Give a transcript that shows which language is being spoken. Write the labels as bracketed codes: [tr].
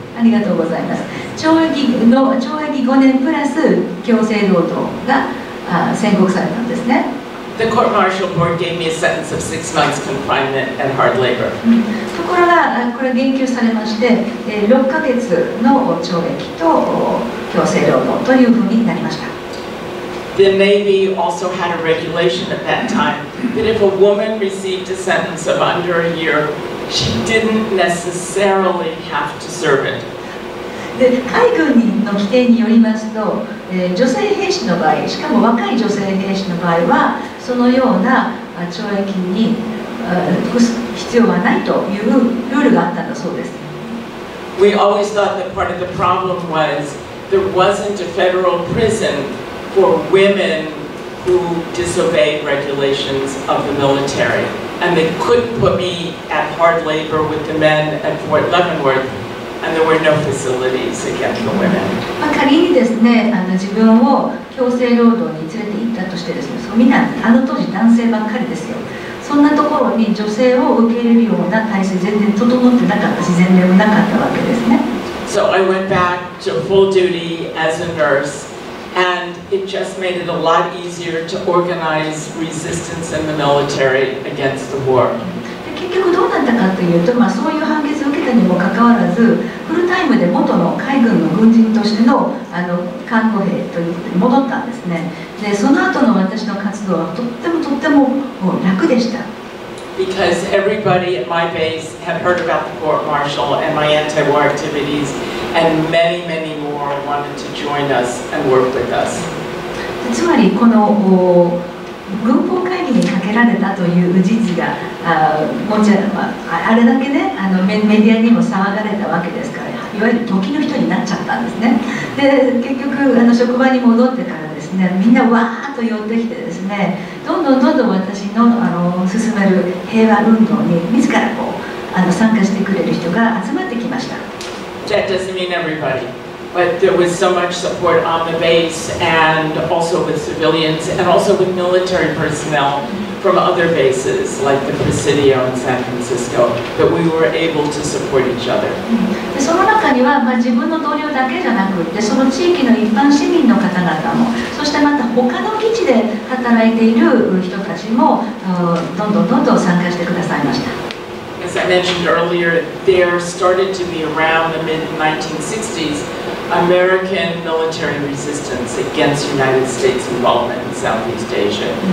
[ja] ありがとうございます。懲役5年プラス強制労働が宣告されたんですね。 [en] The court martial board gave me a sentence of 6 months confinement and hard labor. [ja] ところが、これ言及されまして、6ヶ月の懲役と強制労働というふうになりました。 [en] The Navy also had a regulation at that time that if a woman received a sentence of under a year, she didn't necessarily have to serve it. [ja] で、海軍の規定によりますと、女性兵士の場合、しかも若い女性兵士の場合は、そのような懲役に必要はないというルールがあったんだそうです。 [en] We always thought that part of the problem was there wasn't a federal prison for women who disobeyed regulations of the military. And they couldn't put me at hard labor with the men at Fort Leavenworth. [ja] まあ、仮にですね、自分を強制労働に連れて行ったとしてですね、みんな当時男性ばっかりですよ。そんなところに女性を受け入れるような体制全然整ってなかったし、前例もなかったわけですね。 [en] So I went back to full duty as a nurse, and it just made it a lot easier to organize resistance in the military against the war. [ja] 結局どうなったかというと、まあ、そういう判決を受けたにもかかわらず、フルタイムで元の海軍の軍人として の, 看護兵といって戻ったんですね。で、その後の私の活動はとってもとって も, もう楽でした。 [en] Because everybody at my base had heard about the court martial and my anti-war activities, and many, many more wanted to join us and work with us. [ja] つまりこの軍法会議にかけられたという事実が、もちろん、まあ、あれだけね、メディアにも騒がれたわけですから、いわゆる時の人になっちゃったんですね。で、結局職場に戻ってからですね、みんなわーっと呼んできてですね、どんどんどんどん私 の, 進める平和運動に自らこう参加してくれる人が集まってきました。 [en] That doesn't mean everybody, but there was so much support on the base and also with civilians and also with military personnel from other bases like the Presidio in San Francisco that we were able to support each other. [ja] その中には、まあ、自分の同僚だけじゃなくてその地域の一般市民の方々もそしてまた他の基地で働いている人たちもどんどんどんどん参加してくださいました。 [en] As I mentioned earlier, there started to be around the mid-1960s American military resistance against United States involvement in Southeast Asia.